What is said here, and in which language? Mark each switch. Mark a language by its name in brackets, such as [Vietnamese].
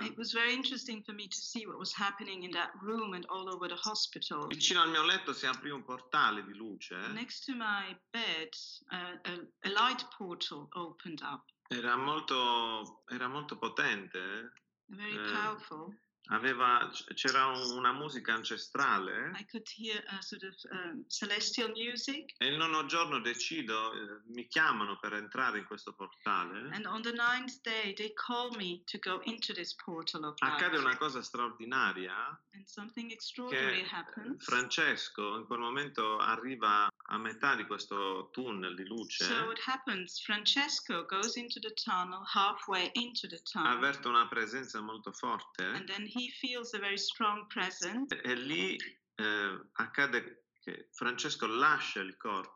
[English] It was very interesting for me to see what was happening in that room and all over the hospital. [Italian] Vicino al mio letto si aprì un portale di luce. [English] Next to my bed, a light portal opened up. [Italian] Era molto potente. [English] Very powerful. [Italian] C'era una musica ancestrale. [English] I could hear a sort of celestial music. [Italian] E il nono giorno decido, mi chiamano per entrare in questo portale. [English] And on the ninth day they call me to go into this portal of light. [Italian] Accade una cosa straordinaria. [English] And something extraordinary happens. [Italian] Francesco in quel momento arriva a metà di questo tunnel di luce. [English] So what happens? Francesco goes into the tunnel, halfway into the tunnel. [Italian] Avverto una presenza molto forte. [English] And then he feels a very strong presence. [Italian] E lì accade che Francesco lascia il corpo.